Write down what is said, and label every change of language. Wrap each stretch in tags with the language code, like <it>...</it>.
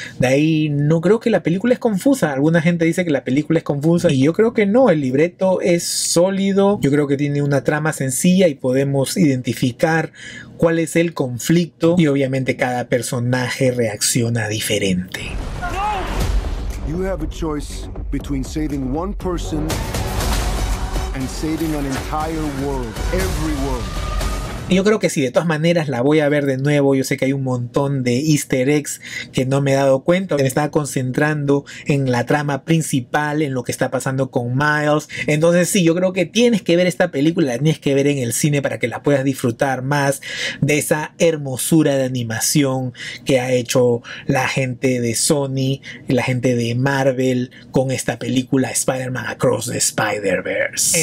<es>De ahí no creo que la película es confusa. Alguna gente dice que la película es confusa y yo creo que no, el libreto es sólido. Yo creo que tiene una trama sencilla y podemos identificar cuál es el conflicto y obviamente cada personaje reacciona diferente.</es> <en>You have a choice between saving one person and saving an entire world, every world.</en> <es>Yo creo que sí, de todas maneras la voy a ver de nuevo. Yo sé que hay un montón de easter eggs que no me he dado cuenta. Me estaba concentrando en la trama principal, en lo que está pasando con Miles. Entonces sí, yo creo que tienes que ver esta película, la tienes que ver en el cine para que la puedas disfrutar más de esa hermosura de animación que ha hecho la gente de Sony, la gente de Marvel con esta película Spider-Man Across the Spider-Verse.</es>